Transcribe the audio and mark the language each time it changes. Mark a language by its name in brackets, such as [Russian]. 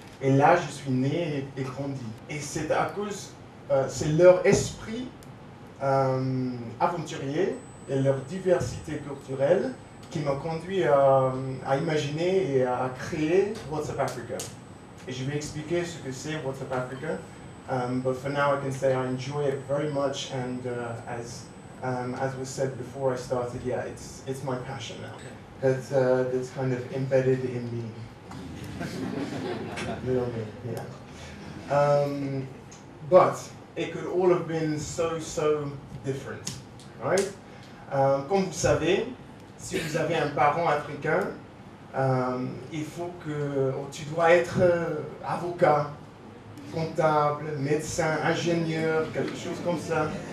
[French] Et là, je suis né et grandi. Et c'est à cause, c'est leur esprit aventurier et leur diversité culturelle qui m'a conduit à imaginer et à créer What's Up Africa. Et je vais expliquer ce que c'est What's Up Africa. [English] But for now, I can say I enjoy it very much. And as was said before I started, yeah, it's my passion now. That's kind of embedded in me. Little bit, yeah. But it could all have been so, so different, right? [French] Comme vous savez, si vous avez un parent africain, il faut que tu dois être avocat, comptable, médecin, ingénieur, quelque chose comme ça.